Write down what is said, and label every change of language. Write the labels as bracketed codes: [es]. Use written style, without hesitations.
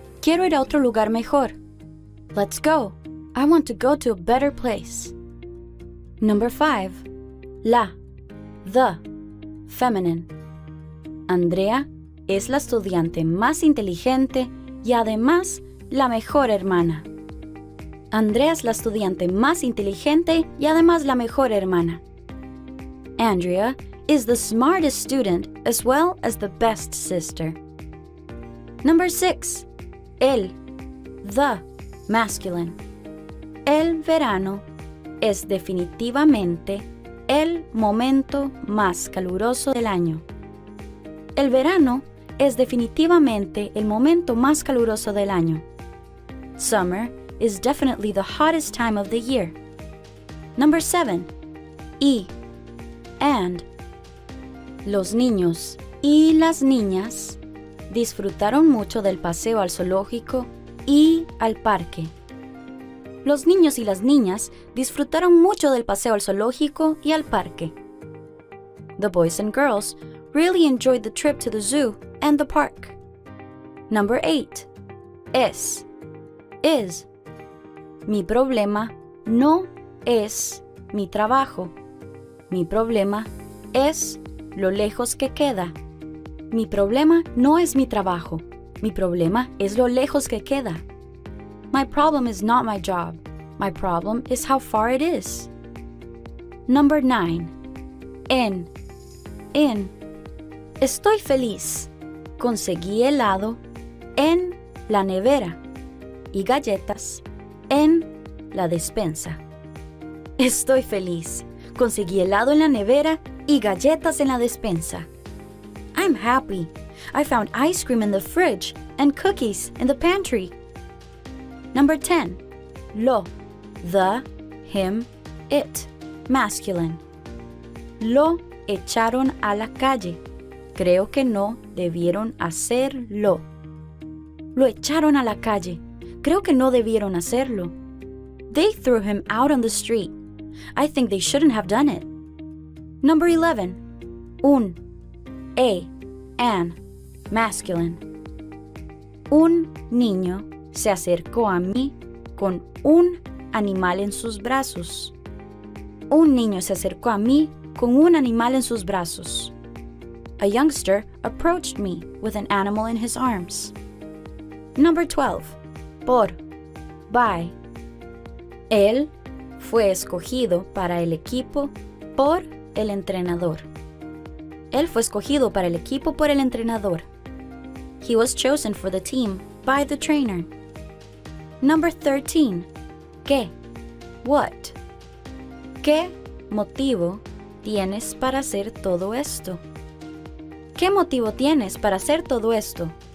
[es] Quiero ir a otro lugar mejor. [en] Let's go. I want to go to a better place. Number 5. La. The. Feminine. [es] Andrea es la estudiante más inteligente y además la mejor hermana. Andrea es la estudiante más inteligente y además la mejor hermana. [en] Andrea is the smartest student as well as the best sister. Number 6. El. The. Masculine. [es] El verano es definitivamente el momento más caluroso del año. El verano es definitivamente el momento más caluroso del año. [en] Summer is definitely the hottest time of the year. Number 7. Y. And. [es] Los niños y las niñas disfrutaron mucho del paseo al zoológico y al parque. Los niños y las niñas disfrutaron mucho del paseo al zoológico y al parque. [en] The boys and girls really enjoyed the trip to the zoo and the park. Number 8. Es. Is. [es] Mi problema no es mi trabajo. Mi problema es lo lejos que queda. Mi problema no es mi trabajo. Mi problema es lo lejos que queda. [en] My problem is not my job. My problem is how far it is. Number 9. En. In. [es] Estoy feliz. Conseguí helado en la nevera y galletas en la despensa. Estoy feliz. Conseguí helado en la nevera y galletas en la despensa. [en] I'm happy. I found ice cream in the fridge and cookies in the pantry. Number 10. Lo. The. Him. It. Masculine. [es] Lo echaron a la calle. Creo que no debieron hacerlo. Lo echaron a la calle. Creo que no debieron hacerlo. [en] They threw him out on the street. I think they shouldn't have done it. Number 11. Un. A. An. Masculine. [es] Un niño se acercó a mí con un animal en sus brazos. Un niño se acercó a mí con un animal en sus brazos. [en] A youngster approached me with an animal in his arms. Number 12. Por. By. [es] Él fue escogido para el equipo por el entrenador. Él fue escogido para el equipo por el entrenador. [en] He was chosen for the team by the trainer. Number 13. ¿Qué? What? [es] ¿Qué motivo tienes para hacer todo esto? ¿Qué motivo tienes para hacer todo esto?